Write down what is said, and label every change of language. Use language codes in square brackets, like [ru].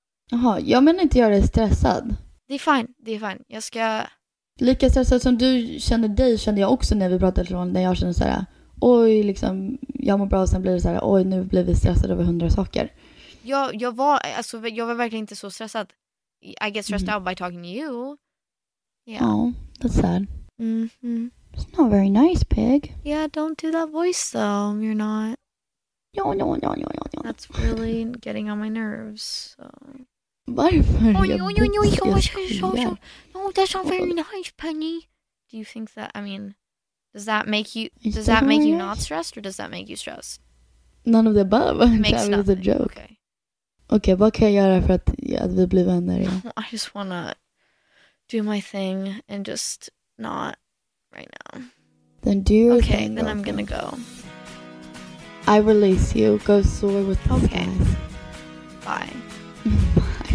[sv] Jaha, jag menar inte jag är stressad. Det är fine. Jag ska... Lika stressad som du kände dig kände jag också när vi pratade från när jag kände så här... Oj, liksom, jag mår bra och sen blir det så här, oj, nu blev vi stressade över 100 saker. Jag var, alltså, jag var verkligen inte så stressad. [en] I get stressed out by talking to you. Yeah. Oh, that's sad. Mm-hmm. It's not very nice, pig. Yeah, don't do that voice, though. You're not. No. That's really getting on my nerves, so. [sv] Varför? [en] Oh, that's not very nice, Penny. Do you think that, I mean... Does that make you not stressed or does that make you stressed? None of the above. Makes that was a joke. [sv] Okay, vad kan jag göra för att vi blir vänner? [en] I just wanna do my thing and just not right now. Then do your okay, thing. Okay, then I'm gonna go. I release you. Go soar with the okay. Skies. Bye.